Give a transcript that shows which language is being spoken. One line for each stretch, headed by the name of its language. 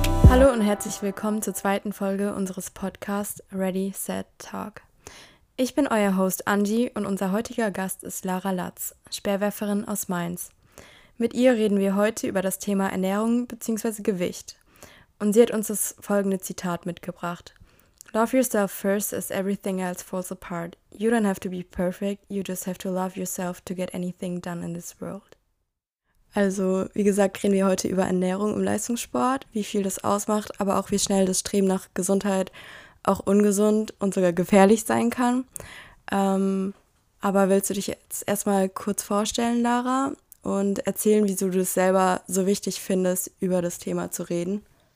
German: Hallo und herzlich willkommen zur zweiten Folge unseres Podcasts Ready, Set, Talk. Ich bin euer Host Angie und unser heutiger Gast ist Lara Latz, Speerwerferin aus Mainz. Mit ihr reden wir heute über das Thema Ernährung bzw. Gewicht. Und sie hat uns das folgende Zitat mitgebracht.
English: Love yourself first as everything else falls apart. You don't have to be perfect, you just have to love yourself to get anything done in this world.
German: Also, wie gesagt, reden wir heute über Ernährung im Leistungssport, wie viel das ausmacht, aber auch wie schnell das Streben nach Gesundheit auch ungesund und sogar gefährlich sein kann. Aber willst du dich jetzt erstmal kurz vorstellen, Lara, und erzählen, wieso du es selber so wichtig findest, über das Thema zu reden?